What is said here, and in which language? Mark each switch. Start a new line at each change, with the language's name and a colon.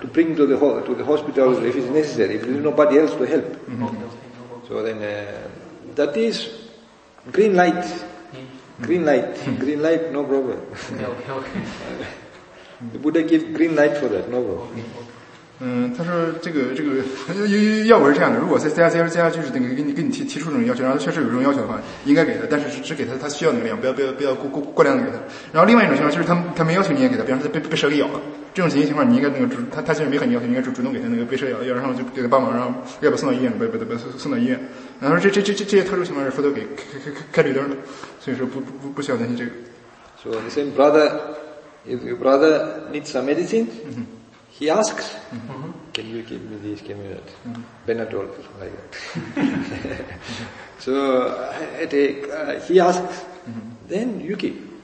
English: to bring to the hospital okay. if it's necessary, if there's nobody else to help. Mm-hmm. Okay. So then, that is green light, mm-hmm. green light, mm-hmm. green light, no problem. Okay. The Buddha gave green light for that, no problem. Okay. Okay.
Chinese: 他说这个要不是这样的，如果在家就是那个给你提出这种要求，然后确实有这种要求的话，应该给他，但是只给他需要那个量，不要过量的给他。然后另外一种情况就是他没要求你也给他，比方说被蛇给咬了，这种情况你应该那个他其实没很要求，你应该主动给他那个被蛇咬了，然后就给他帮忙，然后要把送到医院，把送到医院。然后这些特殊情况是佛陀给开绿灯的，所以说不需要担心这个。
English: So the same brother, if your brother needs some medicine.、 Mm-hmm. He asks,、 mm-hmm. can you give me this, give me that?、 Mm-hmm. Benadol, like that. mm-hmm. So, he asks,、 mm-hmm. then you give.、